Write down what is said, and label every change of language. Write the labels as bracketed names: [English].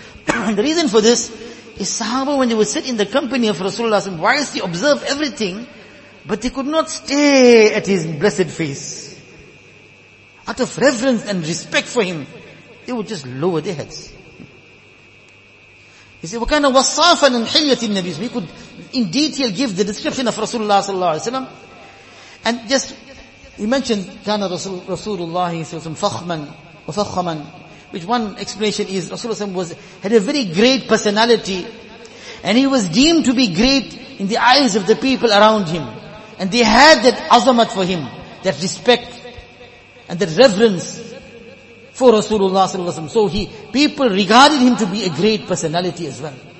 [English] The reason for this is sahaba, when they would sit in the company of Rasulullah, whilst they observe everything, but they could not stare at his blessed face. Out of reverence and respect for him, they would just lower their heads. He said, [Arabic] وَكَانَ وَصَّافًا مِنْ حِلْيَةِ النَّبِيِّ. [English] So he could in detail give the description of Rasulullah sallallahu alayhi wa sallam. And just, he mentioned, [Arabic] كَانَ رَسُولُ اللَّهِ صَلَّى اللَّهُ عَلَيْهِ وَسَلَّمَ فَخْمًا وَفَخْمًا. [English] Which one explanation is, Rasulullah sallallahu alayhi wa sallam had a very great personality, and he was deemed to be great in the eyes of the people around him. And they had that azamat for him, that respect and that reverence for Rasulullah sallallahu alaihi wasallam. So people regarded him to be a great personality as well.